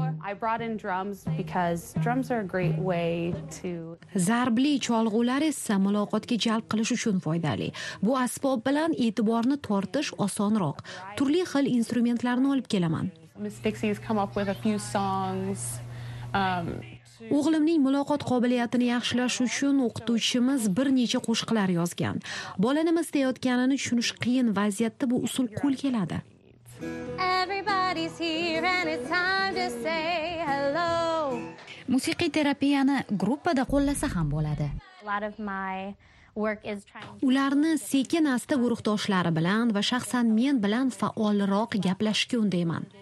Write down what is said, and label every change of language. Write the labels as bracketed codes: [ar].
[en] I brought in drums because drums are a great way to [uz] Zarbli cholg'ular esa muloqotga jalb qilish uchun foydali. Bu asbob bilan e'tiborni tortish osonroq. Turli xil instrumentlarni olib kelaman. [en] Miss Dixie's come up with a few songs. [uz] O'g'limning muloqot qobiliyatini yaxshilash uchun o'qituvchimiz bir necha qo'shiqlar yozgan. Bola nima istayotganini tushunish qiyin vaziyatda bu usul qo'l keladi. [en] Everybody's here and it's time to say hello. [uz] Musiqiy terapiyani gruppada qo'llasa ham bo'ladi. Ularni sekin-asta guruhdoshlari bilan va shaxsan men bilan faolroq gaplashishga undayman.